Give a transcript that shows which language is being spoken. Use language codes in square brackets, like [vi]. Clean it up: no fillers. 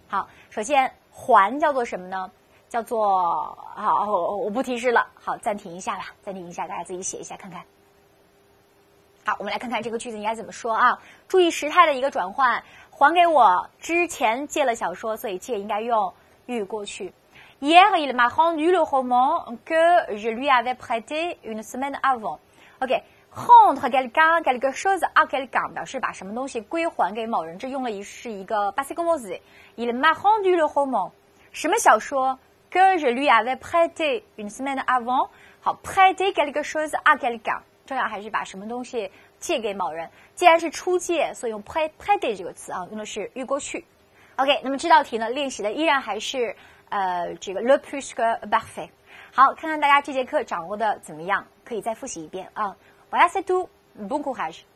[zh] 好，首先还叫做什么呢？叫做我不提示了。好，暂停一下吧，暂停一下，大家自己写一下看看。好，我们来看看这个句子应该怎么说啊？注意时态的一个转换，还给我之前借了小说，所以借应该用预过去。 [fr] Hier, il m'a rendu le roman que je lui avais prêté une semaine avant. OK. rendre quelqu'un quelque chose à quelqu'un [zh] 表示把什么东西归还给某人，这用了是一个 passé composé. [fr] Il m'a rendu le roman [zh] 什么小说 [fr] que je lui avais prêté une semaine avant. [zh] 好， [fr] prêté quelque chose à quelqu'un [zh] 重要还是把什么东西借给某人，既然是出借，所以用 prêté 这个词啊，用的是预过去。 OK, 那么这道题呢练习的依然还是这个 le plus que parfait. 好，看看大家这节课掌握的怎么样，可以再复习一遍啊。 [fr] Voilà, c'est tout. Bon courage.